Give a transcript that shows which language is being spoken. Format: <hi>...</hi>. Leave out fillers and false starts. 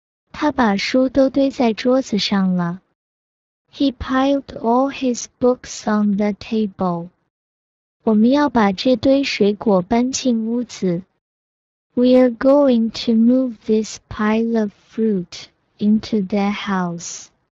<zh>他把书都堆在桌子上了。</zh> <en>He piled all his books on the table.</en> <zh>我们要把这堆水果搬进屋子。</zh> <en>We are going to move this pile of fruit into the house.</en>